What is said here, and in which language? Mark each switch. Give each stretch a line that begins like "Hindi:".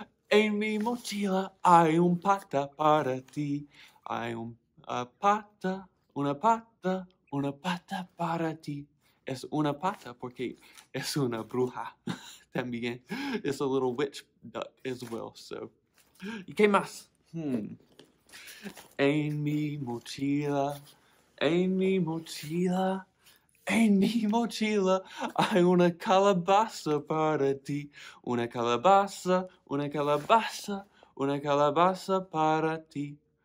Spanish: En mi mochila, hay un pata para ti. Hay un pata, una pata para ti. Es una pata porque es una bruja también.
English: It's a little witch duck as well, so.
Spanish: ¿Y qué más? En mi mochila, hay una calabaza para ti. Una calabaza, una calabaza para ti.